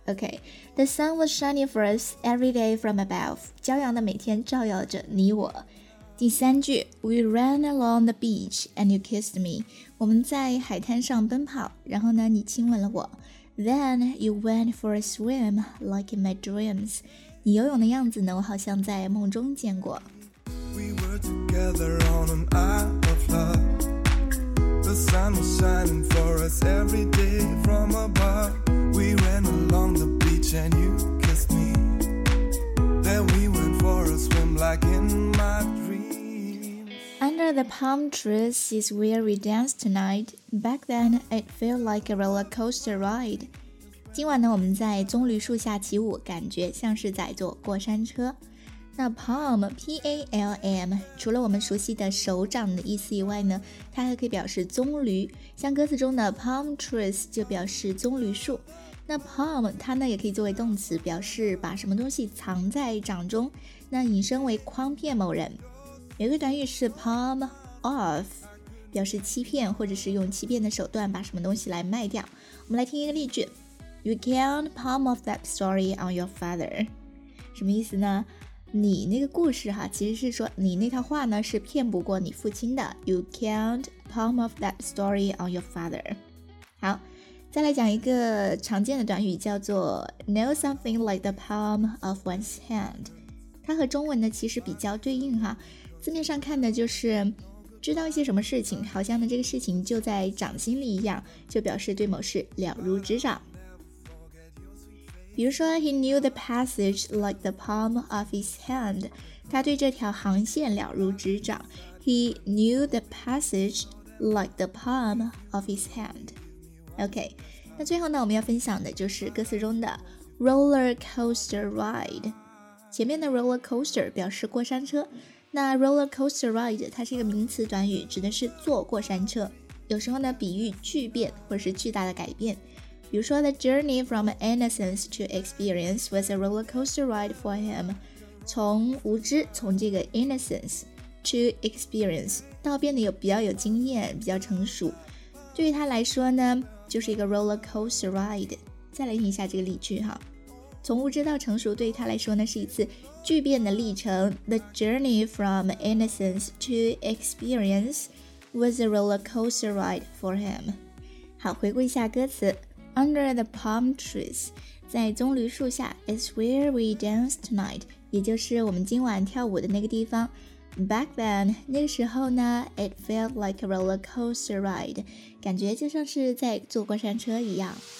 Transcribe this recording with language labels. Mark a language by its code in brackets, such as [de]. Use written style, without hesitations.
[en] OK， The sun was shining for us every day from above， [zh] 骄阳呢每天照耀着你我。第三句 [en] We ran along the beach and you kissed me， [zh] 我们在海滩上奔跑，然后呢你亲吻了我。 [en] Then you went for a swim like in my dreams， [zh] 你游泳的样子呢我好像在梦中见过。 [en] We were together on an isle of love， The sun was shining for us every day from above。 We ran along the beach and you kissed me。 Then we went for a swim like in my dreamsUnder the palm trees is where we danced tonight. Back then, it felt like a roller coaster ride. [zh] 今晚呢，我们在棕榈树下起舞，感觉像是在坐过山车。那 palm, P-A-L-M, 除了我们熟悉的手掌的意思以外呢，它还可以表示棕榈。像歌词中的 palm trees 就表示棕榈树。那 palm 它呢也可以作为动词，表示把什么东西藏在掌中，那引申为诓骗某人。有一个短语是 palm off， 表示欺骗或者是用欺骗的手段把什么东西来卖掉。我们来听一个例句 ： [en] You can't palm off that story on your father。 [zh] 什么意思呢？你那个故事哈，其实是说你那套话呢是骗不过你父亲的。 [en] You can't palm off that story on your father。 [zh] 好，再来讲一个常见的短语，叫做 know something like the palm of one's hand。它和中文呢其实比较对应哈，字面上看的就是知道一些什么事情，好像呢这个事情就在掌心里一样，就表示对某事了如指掌。比如说 [en] he knew the passage like the palm of his hand， [zh] 他对这条航线了如指掌。 [en] He knew the passage like the palm of his hand。 [zh] OK， 那最后呢我们要分享的就是歌词中的 roller coaster ride。前面的 roller coaster 表示过山车，那 roller coaster ride 它是一个名词短语，指的是坐过山车，有时候呢比喻巨变或是巨大的改变。比如说 [en] the journey from innocence to experience was a roller coaster ride for him， [zh] 从无知，从这个 innocence to experience， 到变得有比较有经验，比较成熟，对于他来说呢就是一个 roller coaster ride。再来听一下这个例句哈，从无知到成熟对于他来说呢是一次巨变的历程。 [en] The journey from innocence to experience was a roller coaster ride for him。 [zh] 好，回顾一下歌词。 [en] Under the palm trees， [zh] 在棕榈树下， [en] is where we dance tonight， [zh] 也就是我们今晚跳舞的那个地方。 [en] Back then， [zh] 那个时候呢， [en] it felt like a roller coaster ride， [zh] 感觉就像是在坐过山车一样。